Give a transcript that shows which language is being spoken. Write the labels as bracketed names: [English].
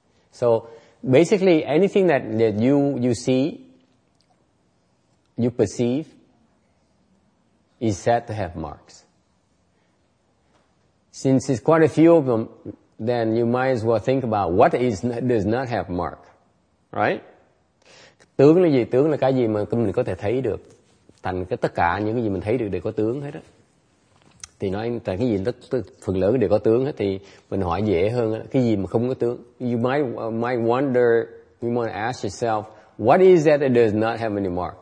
[English] So basically anything that you see, you perceive, is said to have marks. Since it's quite a few of them, then you might as well think about what does not have mark, right? [Vietnamese] Tướng là gì? Tướng là cái gì mà mình có thể thấy được. Thành cái tất cả những cái gì mình thấy được đều có tướng hết á. Thì nói tại cái gì phần lớn đều có tướng hết, thì mình hỏi dễ hơn. Cái gì mà không có tướng? [English] You might ask yourself, what is that that does not have any mark?